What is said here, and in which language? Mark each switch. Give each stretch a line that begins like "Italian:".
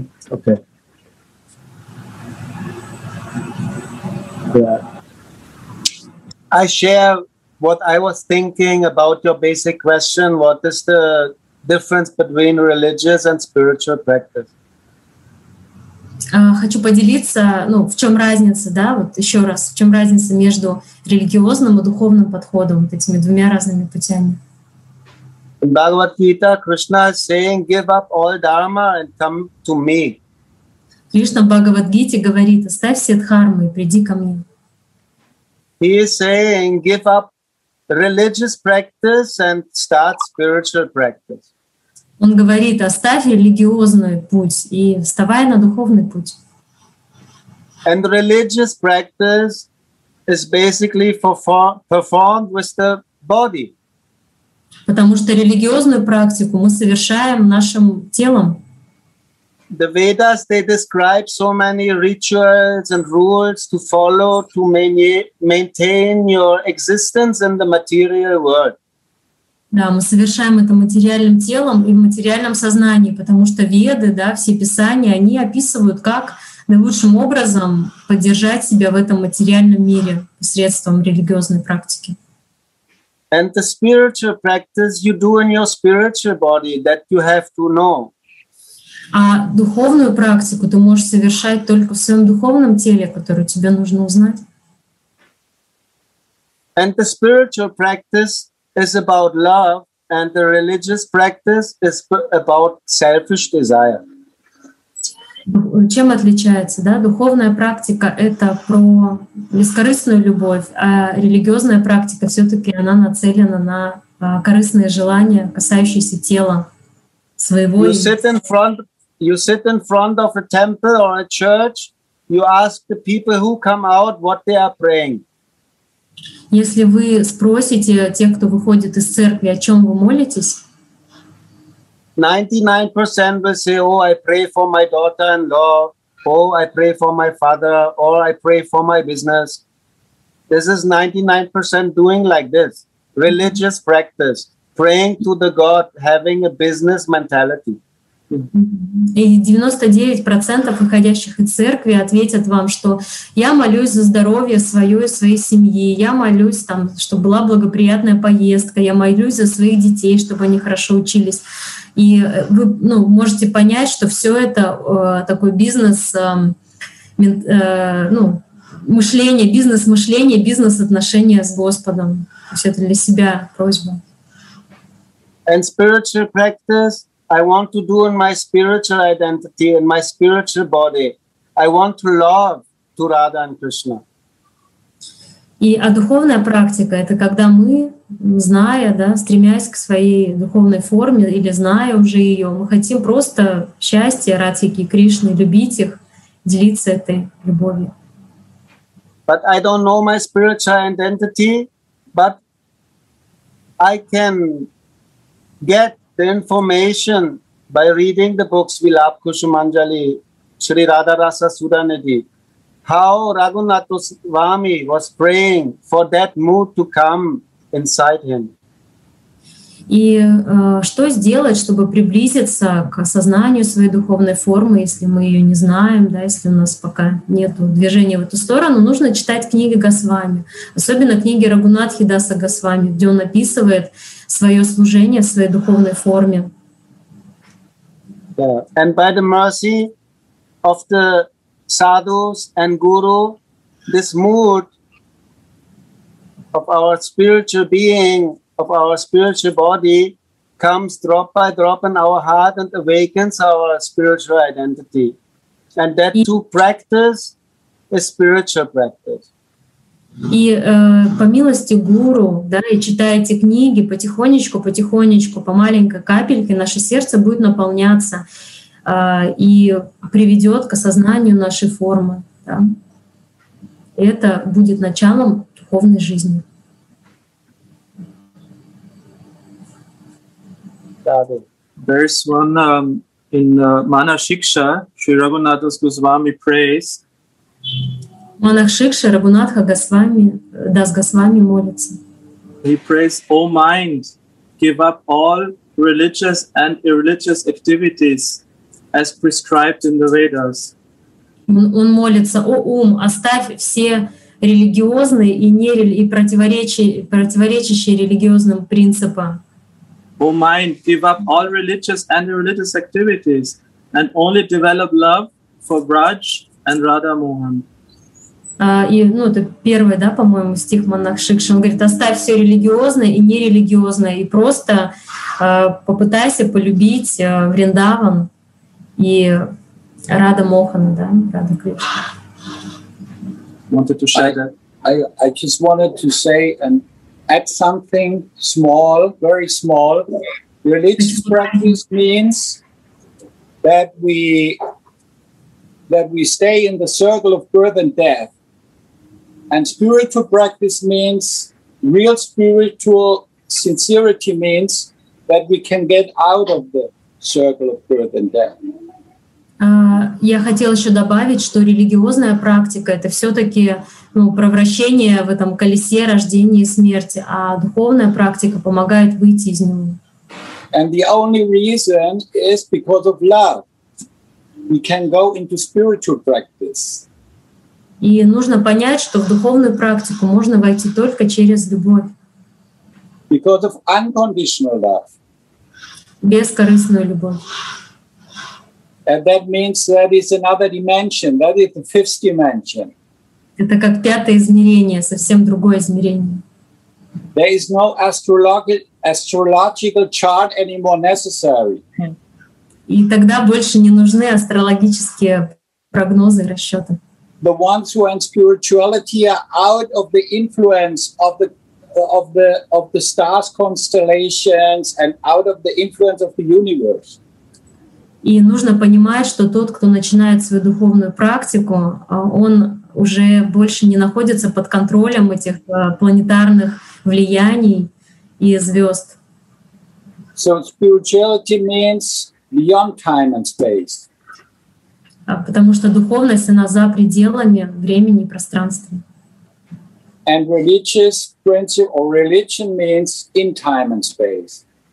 English: Okay. Yeah. I share what I was thinking about your basic question, what is the difference between religious and spiritual practice.
Russian: Хочу поделиться, ну, в чем разница, да, вот еще раз, в чем разница между религиозным и духовным подходом, вот этими двумя разными путями.
English: In Bhagavad Gita, Krishna is saying, give up all dharma and come to me.
Russian: Кришна в Бхагавад-гите говорит, оставь все дхармы и приди ко мне.
English: He is saying, give up religious practice and start spiritual practice.
Russian: Он говорит, оставь религиозный путь и вставай на духовный путь.
English: And religious practice is basically performed with the body.
Russian: Потому что религиозную практику мы совершаем нашим телом.
English: The Vedas, they describe so many rituals and rules to follow to maintain your existence in the material world.
Russian: Да, мы совершаем это материальным телом и в материальном сознании, потому что веды, да, все писания, они описывают, как наилучшим образом поддержать себя в этом материальном мире посредством религиозной практики.
English: And the spiritual practice you do in your spiritual body that you have to know.
Russian: А духовную практику ты можешь совершать только в своем духовном теле, которое тебе нужно узнать.
English: And the spiritual practice is about love, and the religious practice is about selfish desire.
Russian: Чем отличается, да? Духовная практика — это про бескорыстную любовь, а религиозная практика всё-таки она нацелена на корыстные желания, касающиеся тела своего.
English: You sit in front of a temple or a church, you ask the people who come out what they are praying.
Russian: Если вы спросите тех, кто выходит из церкви, о чем вы молитесь?
English: 99% will say, oh, I pray for my daughter-in-law, oh, I pray for my father, or I pray for my business. This is 99% doing like this, religious practice, praying to the God, having a business mentality.
Russian: И 99% выходящих из церкви ответят вам, что я молюсь за здоровье свое и своей семьи, я молюсь, там, чтобы была благоприятная поездка, я молюсь за своих детей, чтобы они хорошо учились. И вы, ну, можете понять, что все это такой бизнес, ну, мышление, бизнес-мышление, бизнес-отношения с Господом. То есть это для себя просьба.
English: And spiritual practice I want to do in my spiritual identity, in my spiritual body. I want to love to Radha and Krishna.
Russian: И а духовная практика — это когда мы, зная, да, стремясь к своей духовной форме или зная уже ее, мы хотим просто счастья Радхи и Кришны, любить их, делиться этой любовью.
English: But I don't know my spiritual identity, but I can get the information by reading the books Vilap Kushumanjali, Sri Radha Rasa Sudhanidhi, how Raghunatha Swami was praying for that mood to come inside him.
Russian: И что сделать, чтобы приблизиться к осознанию своей духовной формы, если мы ее не знаем, да, если у нас пока нет движения в эту сторону, нужно читать книги Госвами, особенно книги Рагунатхи Даса Госвами, где он описывает свое служение в своей духовной форме.
English: Yeah. And by the mercy of the sadhus and guru, this mood of our spiritual being, of our spiritual body, comes drop by drop in our heart and awakens our spiritual identity. And that to practice is spiritual practice.
Russian: И по милости гуру, да, и читая эти книги, потихонечку, потихонечку, по маленькой капельке, наше сердце будет наполняться и приведет к осознанию нашей формы. Да. Это будет началом духовной жизни.
English: There is one in Manashiksha, Sri Raghunatha Goswami prays.
Russian: Manashiksha, Raghunatha Goswami, Das Goswami молится.
English: He prays, O mind, give up all religious and irreligious activities as prescribed in the Vedas.
Russian: Он молится, о ум, оставь все религиозные и противоречащие религиозным принципам.
English: O mind, give up all religious and irreligious activities and only develop love for Braj and Radha Mohan.
Russian: И, ну, это первый, да, по-моему, стих Манахшикши. Он говорит, оставь все религиозное и нерелигиозное и просто попытайся полюбить Вриндаван и Радха Мохана, да, Радха Кришна.
English: Wanted to share that. I just wanted to say and add something small, very small. Religious practice means that we stay in the circle of birth and death. And spiritual practice means, real spiritual sincerity means that we can get out of the circle of birth and death.
Russian: Я хотела еще добавить, что религиозная практика — это все-таки, ну, провращение в этом колесе рождения и смерти, а духовная практика помогает выйти из него.
English: And the only reason is because of love. We can go into spiritual practice.
Russian: И нужно понять, что в духовную практику можно войти только через любовь.
English: Because of unconditional love.
Russian: Бескорыстную любовь.
English: And that means that is another dimension. That is the fifth dimension.
Russian: Это как пятое измерение, совсем другое измерение.
English: There is no astrological chart anymore necessary.
Russian: И тогда больше не нужны астрологические прогнозы и расчеты.
English: The ones who are in spirituality are out of the influence of the stars, constellations, and out of the influence of the universe.
Russian: И нужно понимать, что тот, кто начинает свою духовную практику, он уже больше не находится под контролем этих планетарных влияний и звезд.
English: So spirituality means beyond time and space.
Russian: Потому что духовность, она за пределами времени и пространства.
English: And religious principle or religion means in time and space.